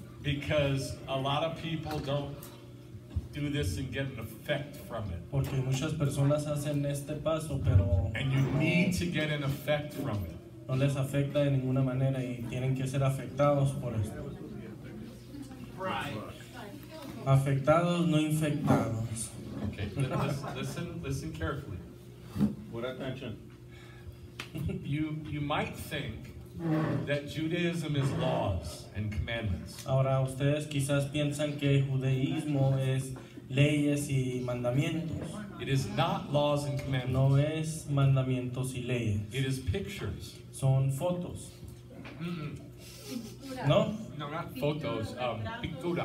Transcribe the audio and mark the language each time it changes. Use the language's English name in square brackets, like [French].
[English] Because a lot of people don't do this and get an effect from it. [Spanish] Porque muchas personas hacen este paso, pero [English] and you need to get an effect from it. [Spanish] No les afecta de ninguna manera y tienen que ser afectados por esto. [English] Right. [Spanish] Afectados, no infectados. [English] Okay, listen carefully. What attention. You might think that Judaism is laws and commandments. [Spanish] Ahora ustedes quizás piensan que judaísmo es leyes y mandamientos. [English] It is not laws and commandments. [Spanish] No es mandamientos y leyes. [English] It is pictures. [Spanish] Son fotos. Mm-mm. No? [English] No, not photos. [Spanish] Pinturas.